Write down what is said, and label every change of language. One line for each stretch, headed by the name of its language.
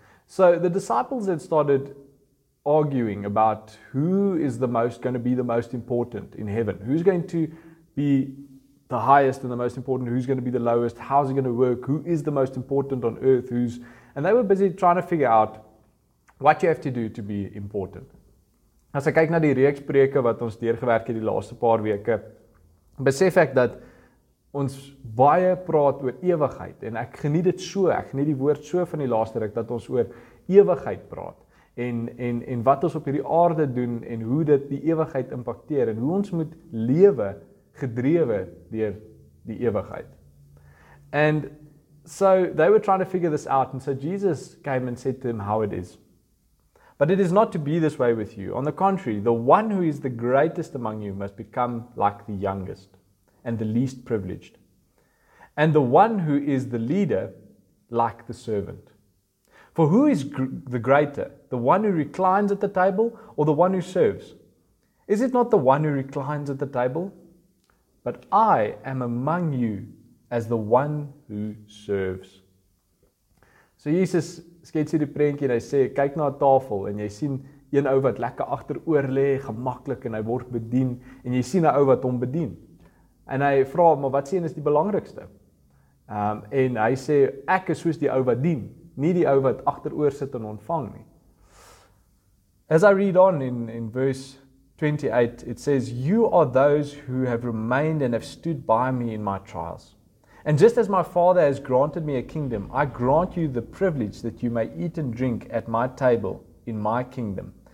English: So the disciples had started arguing about who is the most going to be the most important in heaven. Who's going to be the highest and the most important? Who's going to be the lowest? How's it going to work? Who is the most important on earth? Who's? And they were busy trying to figure out what you have to do to be important.
Afrikaans: As ek kyk na die reeks preke wat ons deurgewerk het die laaste paar weke, besef ek dat ons baie praat oor ewigheid en ek geniet dit so, ek geniet die woord so van die laaste ruk dat ons oor ewigheid praat en wat ons op hierdie aarde doen en hoe dit die ewigheid impakteer en hoe ons moet lewe gedrewe deur die ewigheid.
English: And so they were trying to figure this out and so Jesus came and said to them how it is. But it is not to be this way with you. On the contrary, the one who is the greatest among you must become like the youngest and the least privileged. And the one who is the leader, like the servant. For who is the greater, the one who reclines at the table or the one who serves? Is it not the one who reclines at the table? But I am among you as the one who serves.
Afrikaans: So Jesus skets hierdie prentjie en hy sê, kyk na 'n tafel en jy sien een ou wat lekker agteroor lê, gemaklik en hy word bedien en jy sien 'n ou wat hom bedien. En hy vra, maar wat sien is die belangrikste? En hy sê, ek is soos die ou wat dien, nie die ou wat agteroor sit en ontvang nie.
English: As I read on in verse 28, it says, you are those who have remained and have stood by me in my trials. And just as my Father has granted me a kingdom, I grant you the privilege that you may eat and drink at my table in my kingdom.